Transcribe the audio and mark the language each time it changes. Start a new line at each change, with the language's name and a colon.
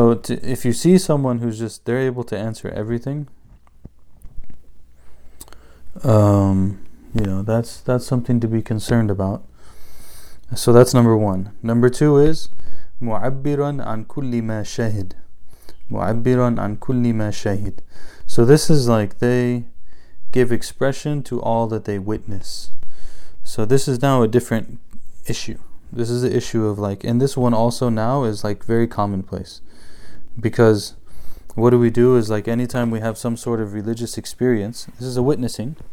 English: If you see someone who's just, they're able to answer everything, you know, that's something to be concerned about. So that's number one. Number two is
Arabic: مُعَبِّرًا عَنْ كُلِّ مَا شَهِدْ مُعَبِّرًا عَنْ كُلِّ مَا شَهِدْ.
English: So this is like they give expression to all that they witness. So this is now a different issue. This is the issue of like, and this one also now is like very commonplace. Because what do? Is like anytime we have some sort of religious experience, this is a witnessing.